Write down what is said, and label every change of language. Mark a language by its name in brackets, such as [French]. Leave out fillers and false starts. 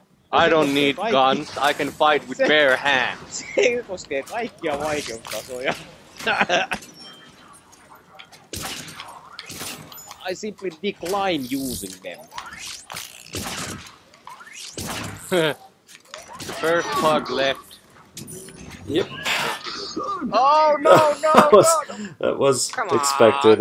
[English] I don't need guns, I can fight with bare hands. [Finnish] Se koskee kaikkia vaikeustasoja. [English] I simply decline using them. The first pug left. Yep. Oh no! That was come expected.